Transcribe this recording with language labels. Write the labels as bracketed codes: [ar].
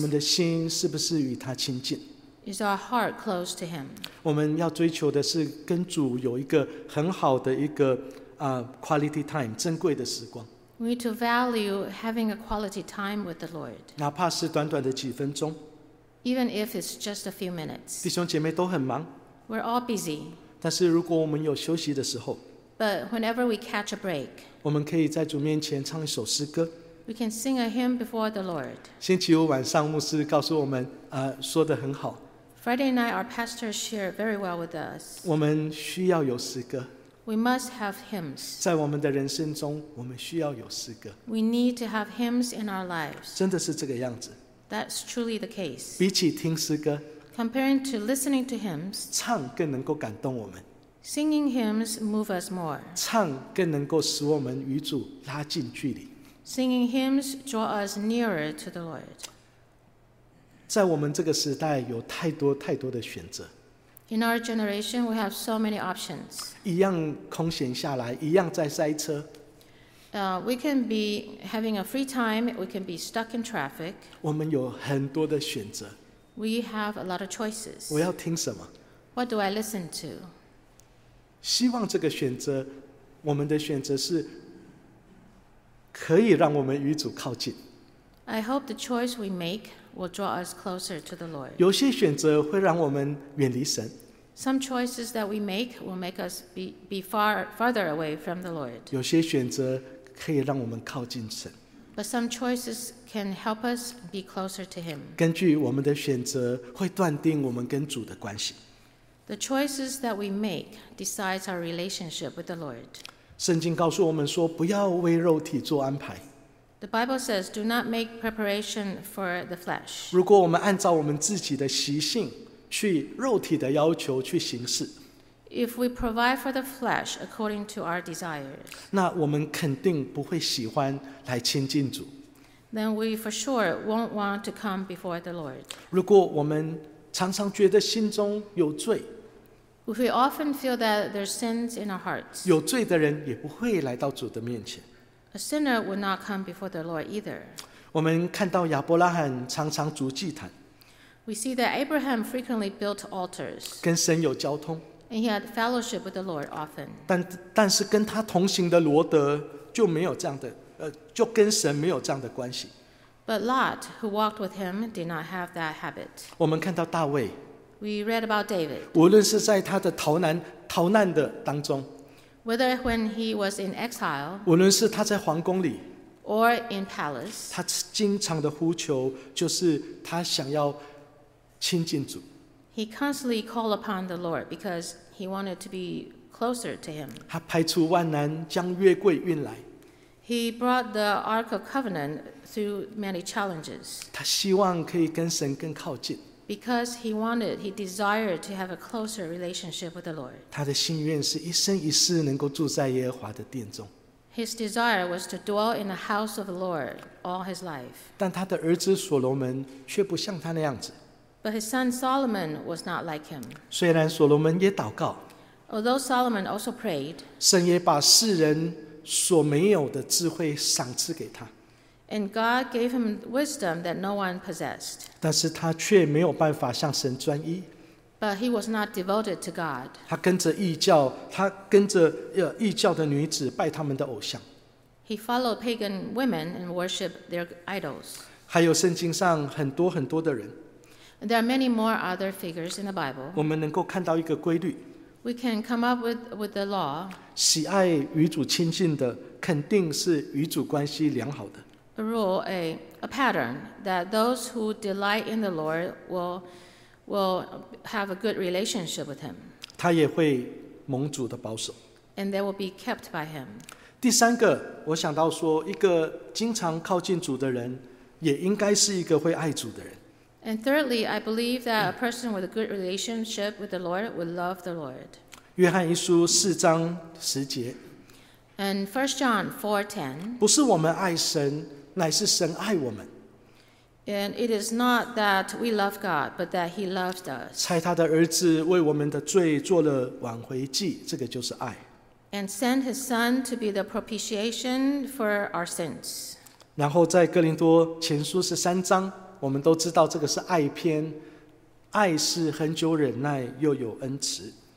[zh] 我们的心是不是与他亲近？ [en] Is our heart close to him? [zh] 我们要追求的是跟主有一个很好的一个 [en] quality time, [zh] 珍贵的时光。 [en] We need to value having a quality time with the Lord. [zh] 哪怕是短短的几分钟。 [en] Even if it's just a few minutes. [zh] 弟兄姐妹都很忙。 [en] We're all busy. [zh] 但是如果我们有休息的时候。 [en] But whenever we catch a break. [zh] 我们可以在主面前唱一首诗歌。 [en] We can sing a hymn before the Lord. [zh] 星期五晚上牧师告诉我们说得很好。 [en] Friday night, our pastor shared very well with us. [zh] 我们需要有诗歌。 [en] We must have hymns. [zh] 在我们的人生中，我们需要有诗歌。 [en] We need to have hymns in our lives. [zh] 真的是这个样子。 [en] That's truly the case. [zh] 比起听诗歌， [en] comparing to listening to hymns, [zh] 唱更能够感动我们。 [en] Singing hymns move us more. [zh] 唱更能够使我们与主拉近距离。 [en] Singing hymns draw us nearer to the Lord. [zh] 在我们这个时代，有太多太多的选择。 [en] In our generation, we have so many options. [zh] 一样空闲下来，一样在塞车。 [en] We can be having a free time. We can be stuck in traffic. [zh] 我们有很多的选择。 [en] We have a lot of choices. [zh] 我要听什么？ [en] What do I listen to? [zh] 希望这个选择，我们的选择是可以让我们与主靠近。 [en] I hope the choice we make will draw us closer to the Lord. [zh] 有些选择会让我们远离神。 [en] Some choices that we make will make us be farther away from the Lord. [zh] 有些选择可以让我们靠近神。 [en] But some choices can help us be closer to Him. [zh] 根据我们的选择会断定我们跟主的关系。 [en] The choices that we make decides our relationship with the Lord. [zh] 圣经告诉我们说不要为肉体做安排。 [en] The Bible says, do not make preparation for the flesh. [zh] 如果我们按照我们自己的习性去肉体的要求去行事， [en] If we provide for the flesh according to our desires, [zh] 那我们肯定不会喜欢来亲近主。 [en] Then we for sure won't want to come before the Lord. [zh] 如果我们常常觉得心中有罪， [en] If we often feel that there's sins in our hearts, [zh] 有罪的人也不会来到主的面前。 [en] A sinner would not come before the Lord either. [zh] 我们看到亚伯拉罕常常筑祭坛。 [en] We see that Abraham frequently built altars. [zh] 跟神有交通。 [en] And he had fellowship with the Lord often. [zh] 但是跟他同行的罗德就没有这样的，就跟神没有这样的关系。 [en] But Lot, who walked with him, did not have that habit. [zh] 我们看到大卫。 [en] We read about David. [zh] 无论是在他的逃难的当中。 [en] Whether when he was in exile, [zh] 无论是他在皇宫里 [en] or in palace, [zh] 他经常的呼求就是他想要亲近主。 [en] He constantly called upon the Lord because he wanted to be closer to him. [zh] 他排除万难将约柜运来。 [en] He brought the Ark of Covenant through many challenges. [zh] 他希望可以跟神更靠近。 [en] Because he desired to have a closer relationship with the Lord. [zh] 他的心愿是一生一世能够住在耶和华的殿中。 [en] His desire was to dwell in the house of the Lord all his life. [zh] 但他的儿子所罗门却不像他那样子。 [en] But his son Solomon was not like him. [zh] 虽然所罗门也祷告。 [en] Although Solomon also prayed. [zh] 神也把世人所没有的智慧赏赐给他。 [en] And God gave him wisdom that no one possessed. [zh] 但是他却没有办法向神专一。 [en] But he was not devoted to God. [zh] 他跟着异教，他跟着异教的女子拜他们的偶像。 [en] He followed pagan women and worshiped their idols. [zh] 还有圣经上很多很多的人。 [en] There are many more other figures in the Bible. [zh] 我们能够看到一个规律。 [en] We can come up with the law. [zh] 喜爱与主亲近的，肯定是与主关系良好的。 [en] A rule, a pattern that those who delight in the Lord will have a good relationship with Him. [zh] 他也会蒙主的保守。 [en] And they will be kept by Him. [zh] 第三个，我想到说，一个经常靠近主的人，也应该是一个会爱主的人。 [en] And thirdly, I believe that a person with a good relationship with the Lord will love the Lord. [zh] 约翰一书四章十节。 [en] And 1 John 4:10. [zh] 不是我们爱神，乃是神爱我们。 [en] And it is not that we love God, but that He loved us. [zh] 差他的儿子为我们的罪做了挽回祭，这个就是爱。 [en] And sent His Son to be the propitiation for our sins. [zh] 然后在哥林多前书13章，我们都知道这个是爱篇，爱是恒久忍耐，又有恩慈。